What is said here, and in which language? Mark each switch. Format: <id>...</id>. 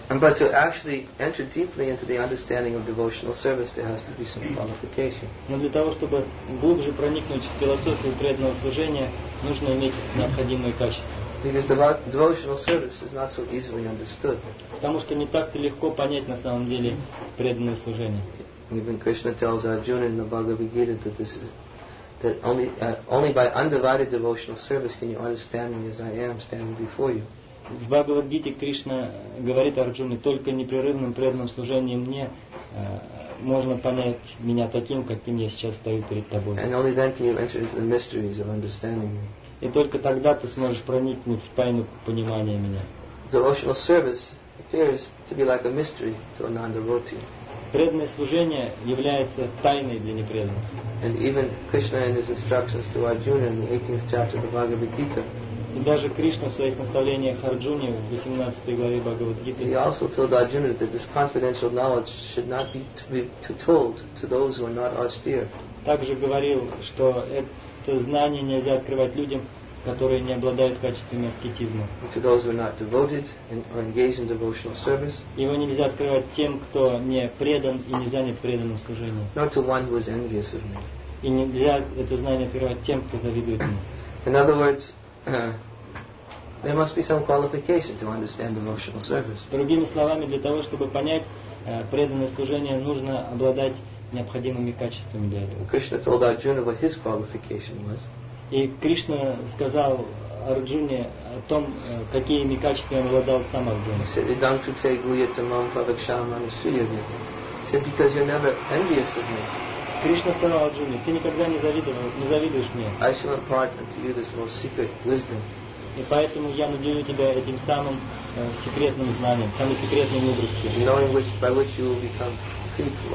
<en>And but to actually enter deeply into the understanding of devotional service, there has to be some qualification.</en> <ru>Но для того, чтобы глубже проникнуть в философию преданного служения, нужно иметь необходимые качества.</ru> <en>Because devotional service is not so easily understood.</en> <ru>Потому что не так-то легко понять на самом деле преданное служение.</ru> <en>Even Krishna tells Arjuna in the Bhagavad Gita that this is that only by undivided devotional service can you understand me as I am standing before you.</en> <ru>В Бхагавад-гите Кришна говорит Арджуне, только непрерывным преданным служением мне можно понять меня таким, каким я сейчас стою перед тобой.</ru> <en>And only then can you enter into the mysteries of understanding me.</en> <ru>И только тогда ты сможешь проникнуть в тайну понимания меня.</ru> <en>Devotional service appears to be like a mystery to a non-devotee.</en> <ru>Преданное служение является тайной для непреданных.</ru> <en>And even Krishna in his instructions to Arjuna in the 18th chapter of the Bhagavad-gita.</en> <ru>И даже Кришна в своих наставлениях Арджуне в 18 главе Бхагавад-гиты.</ru> <en>He also told Arjuna that this confidential knowledge should not be to told to those who are not austere.</en> <ru>Также говорил, что это знание нельзя открывать людям, которые не обладают качествами аскетизма.</ru> <en>To those who are not devoted or engaged in devotional service.</en> <ru>Его нельзя открывать тем, кто не предан и не занят преданным служением.</ru> <en>Not to one who is envious of me.</en> <ru>И нельзя это знание открывать тем, кто завидует мне.</ru> <en>In other words. There must be some qualification to understand devotional service.</en> <ru>Другими словами, для того, чтобы понять преданное служение, нужно обладать необходимыми качествами для этого.</ru> <en>Krishna told Arjuna what his qualification was.</en> <ru>И Кришна сказал Арджуне о том, какими качествами обладал сам Арджуна.</ru> <en>He said, "Don't you take guya to mom pavakshama and shiyogi?" He said, "Because you're never envious of me."</en> <ru>Кришна сказал Арджуне, ты никогда не завидуешь мне.</ru> <en>I shall impart unto you this most secret wisdom.</en> <ru>И поэтому я наделю тебя этим самым секретным знанием, самой секретной мудростью.</ru>